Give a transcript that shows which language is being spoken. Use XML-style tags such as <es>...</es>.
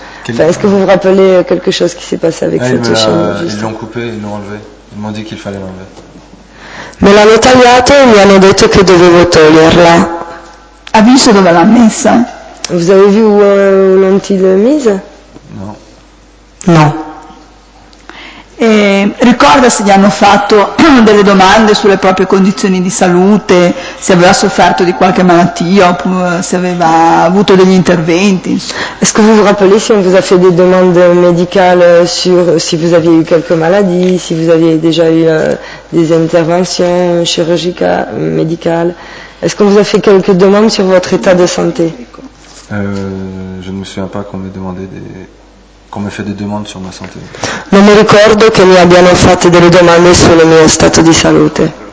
<fr>Est-ce que vous vous rappelez quelque chose qui s'est passé avec cette chaîne? Ils l'ont coupé, ils l'ont enlevé. Ils m'ont dit qu'il fallait l'enlever.</fr> <it>Me l'hanno tagliato e mi hanno detto che dovevo toglierla. Ha visto dove l'ha messa?</it> <fr>Vous avez vu où l'ont-ils mise?</fr> <it>No. No. Ricorda se gli hanno fatto delle domande sulle proprie condizioni di salute, se aveva sofferto di qualche malattia oppure se aveva avuto degli interventi.</it> <fr>Est-ce que vous vous rappelez si on vous a fait des demandes médicales sur si vous aviez eu quelque maladie, si vous aviez déjà eu des interventions chirurgicales, médicales? Est-ce qu'on vous a fait quelques demandes sur votre état de santé? Je ne me souviens pas qu'on m'ait demandé des... qu'on m'ait fait des demandes sur ma santé.</fr> <it>Non mi ricordo che mi abbiano fatto delle domande sul mio stato di salute.</it>